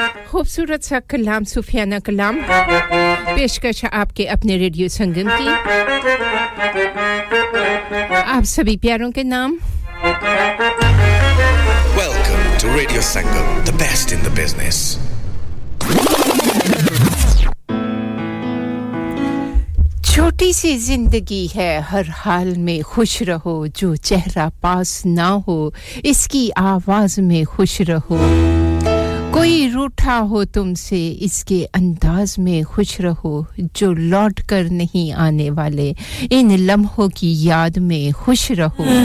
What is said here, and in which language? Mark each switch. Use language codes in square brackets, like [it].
[ur] خوبصورت سا کلام صوفیانہ کلام پیشکش آپ کے اپنے ریڈیو سنگم کی آپ سبھی پیاروں کے نام [en] welcome to radio Sangam the best in the business [ur] چھوٹی سی زندگی ہے ہر حال میں خوش رہو جو چہرہ پاس نہ ہو اس کی آواز میں خوش رہو کوئی روٹھا ہو تم سے اس کے انداز میں خوش رہو جو لوٹ کر نہیں آنے والے ان لمحوں کی یاد میں خوش رہو